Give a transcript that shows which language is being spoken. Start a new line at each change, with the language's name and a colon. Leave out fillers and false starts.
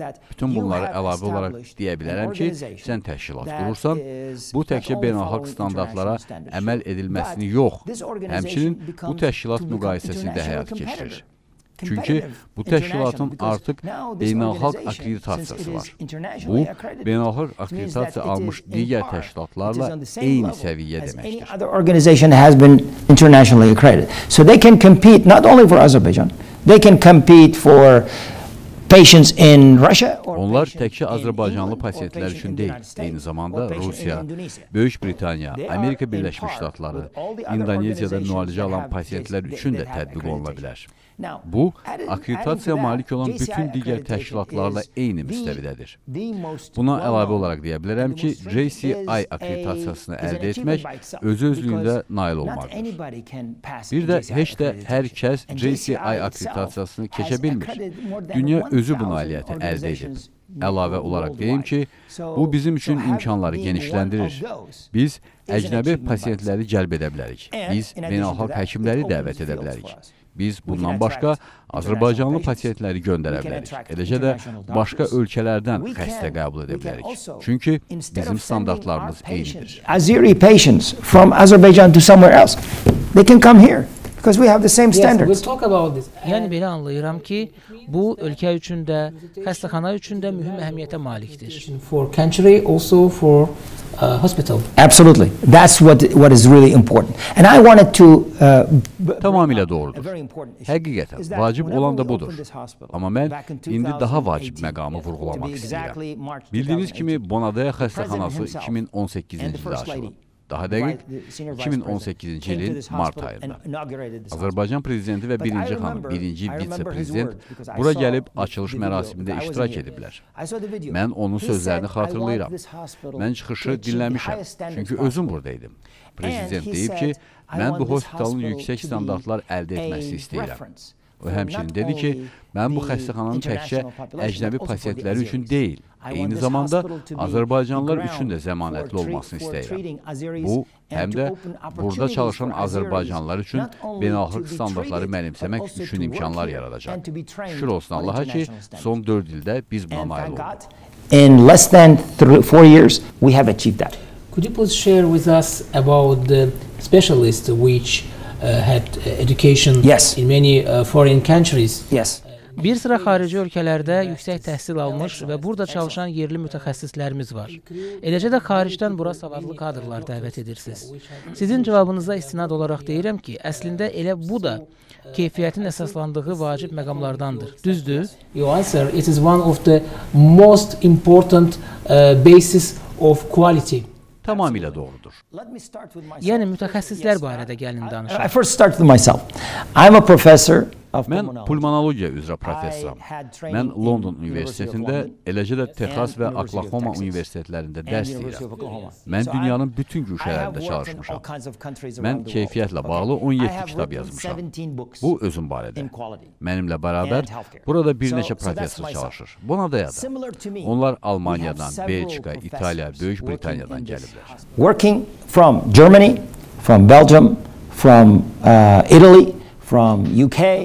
Azerbaijani: Bütün bunları əlavə olaraq deyə bilərəm ki, sən təşkilat qurursan, bu təkcə beynəlxalq standartlara əməl edilməsini yox, həmçinin bu təşkilat müqayisəsində həyat keçirir. Çünki bu təşkilatın artıq beynəlxalq akreditasiyası var. Bu, beynəlxalq akreditasiya almış digər təşkilatlarla eyni səviyyə deməkdir.
English: So they can compete not only for Azerbaijan, they can compete for patients in Russia or
Azerbaijani: onlar təkcə Azərbaycanlı pasientlər üçün deyil, eyni zamanda Rusiya, Böyük Britaniya, Amerika Birləşmiş Ştatları, İndoneziyada müalicə alan pasientlər üçün də tətbiq oluna bilər. Bu, akreditasiya malik olan bütün digər təşkilatlarla eyni müstəvidədir. Buna əlavə olaraq deyə bilərəm ki, JCI akreditasiyasını əldə etmək öz-özlüyündə nail olmaqdır. Bir də heç də hər kəs JCI akreditasiyasını keçə bilmir. Dünya özü bu nailiyyəti əldə edib. Əlavə olaraq deyim ki, bu bizim üçün imkanları genişləndirir. Biz əcnəbi pasientləri cəlb edə bilərik. Biz beynəlxalq həkimləri dəvət edə bilərik. Biz bundan başqa Azərbaycanlı pasientləri göndərə bilərik. Eləcə də başqa ölkələrdən xəstə qəbul edə bilərik. Çünki bizim standartlarımız eynidir.
English: Azeri patients from Azerbaijan to somewhere else. They can come here because we have the same standards. Yes, we'll talk about this.
Azerbaijani: Yəni belə anlayıram ki, bu ölkə üçün də, xəstəxana üçün də mühüm əhəmiyyətə malikdir.
English: For country also for hospital. Absolutely. That's what is really important. And I wanted to
Azerbaijani: tamamilə doğrudur. Həqiqətən vacib olan da budur. Amma mən indi daha vacib məqamı vurğulamaq istəyirəm. Bildiyiniz kimi Bonadaya xəstəxanası 2018-ci ildə açıldı. Daha dəqiq, 2018-ci ilin mart ayında. Azərbaycan prezidenti və birinci xanım, birinci vitse prezident bura gəlib açılış mərasimində iştirak ediblər. Mən onun sözlərini xatırlayıram. Mən çıxışı dinləmişəm, çünki özüm buradaydım. Prezident deyib ki, mən bu hospitalın yüksək standartlar əldə etməsi istəyirəm. O həmçinin dedi ki, mən bu xəstəxananın təkcə əcnəbi pasiyentləri üçün deyil, eyni zamanda Azərbaycanlılar üçün də zəmanətli olmasını istəyirəm. Bu, həm də burada çalışan Azərbaycanlılar üçün beynəlxalq standartları mənimsəmək üçün imkanlar yaradacaq. Şükür olsun Allaha ki, son 4 ildə biz buna nail olduq.
English: In less than 4 years, we have achieved that. Could you please share with us about the specialist which had education in many foreign countries. Yes.
Azerbaijani: Bir sıra xarici ölkələrdə yüksək təhsil almış və burada çalışan yerli mütəxəssislərimiz var. Eləcə də xaricdən bura savadlı kadrlar dəvət edirsiniz. Sizin cavabınıza istinad olaraq deyirəm ki, əslində elə bu da keyfiyyətin əsaslandığı vacib məqamlardandır. Düzdür?
English: Your answer, it is one of the most important basis of quality.
Azerbaijani: Tamamilə doğrudur. Yəni mütəxəssislər barədə gəlin danışaq.
English: I first start with myself. I'm a professor
Azerbaijani: Mən pulmonologiya üzrə professoram. Mən London Universitetində, eləcə də Texas və Oklahoma Universitetlərində dərs deyirəm. Mən dünyanın bütün güşələrində çalışmışam. Mən keyfiyyətlə bağlı 17 kitab yazmışam. Bu özüm barədə. Mənimlə bərabər burada bir neçə professor çalışır. Buna da yada. Onlar Almaniyadan, Belçika, İtaliya, Böyük Britaniyadan gəliblər.
English: Working from Germany, from Belgium, from Italy, from UK.